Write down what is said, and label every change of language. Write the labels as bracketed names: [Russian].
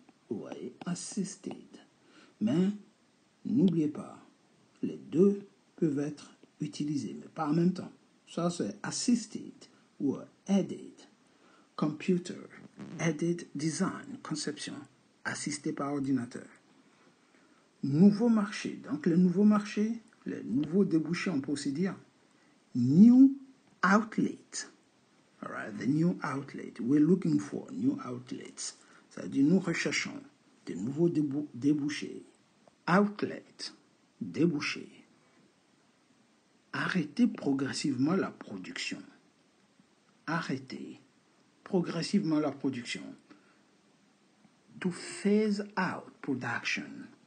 [French] Oui, assisted. Mais n'oubliez pas, les deux peuvent être utilisés, mais pas en même temps. Ça, c'est assisted ou aided. Computer, aided design, conception, assisté par ordinateur. Nouveau marché, donc le nouveau marché, le nouveau débouché, on peut aussi dire. [English] New outlet, all right, the new outlet, we're looking for new outlets. [French] Ça veut dire nous recherchons de nouveaux débouchés. Outlet, débouché. Arrêter progressivement la production. Arrêter progressivement la production. [English] To phase out production.